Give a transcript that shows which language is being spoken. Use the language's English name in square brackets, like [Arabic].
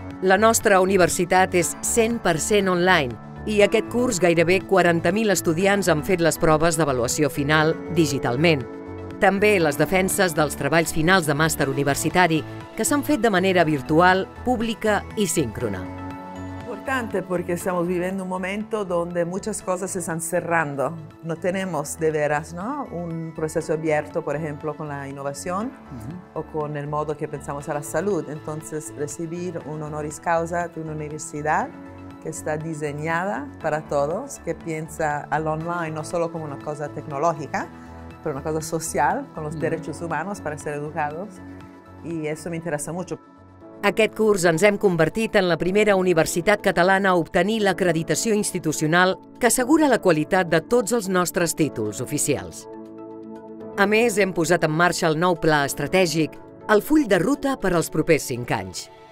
[Catalan] La nostra universitat és 100% online i aquest curs gairebé 40.000 estudiants han fet les proves d'avaluació final digitalment. També les defenses dels treballs finals de màster universitari que s'han fet de manera virtual, pública i síncrona. [Spanish] Porque estamos viviendo un momento donde muchas cosas se están cerrando. No tenemos de veras, ¿no?, un proceso abierto, por ejemplo, con la innovación o con el modo que pensamos a la salud. Entonces, recibir un honoris causa de una universidad que está diseñada para todos, que piensa al online no solo como una cosa tecnológica, pero una cosa social, con los derechos humanos para ser educados. Y eso me interesa mucho. [Catalan] Aquest curs ens hem convertit en la primera universitat catalana a obtenir l'acreditació institucional que assegura la qualitat de tots els nostres títols oficials. A més, hem posat en marxa el nou pla estratègic, el full de ruta per als propers 5 anys.